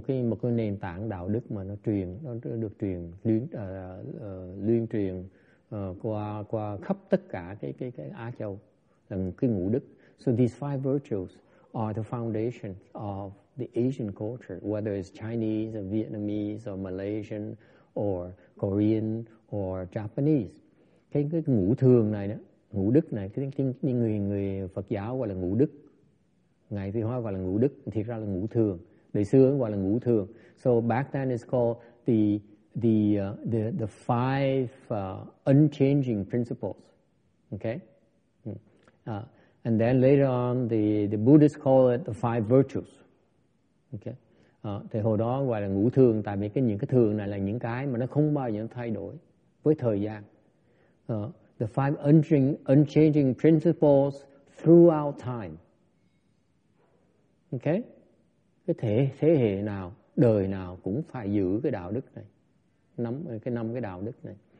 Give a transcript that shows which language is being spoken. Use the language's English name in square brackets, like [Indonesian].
[Vietnamese] Một cái nền tảng đạo đức mà nó được truyền qua khắp tất cả cái Á Châu, là cái ngũ đức. [English] So these five virtues are the foundation of the Asian culture, whether it's Chinese or Vietnamese or Malaysian or Korean or Japanese. [Vietnamese] Cái ngũ thường này đó, ngũ đức này, cái người Phật giáo gọi là ngũ đức, ngài Thi Hoa gọi là ngũ đức, thiệt ra là ngũ thường, đời xưa gọi là ngũ thường. [English] So back then it's called the five unchanging principles. Okay? And then later on, the Buddhists call it the five virtues. [Vietnamese] Okay, thì hồi đó gọi là ngũ thường, tại vì những cái thường này là những cái mà nó không bao giờ thay đổi với thời gian. [English] The five unchanging principles throughout time. [Vietnamese] Okay, cái thế hệ nào, đời nào cũng phải giữ cái đạo đức này, năm cái đạo đức này.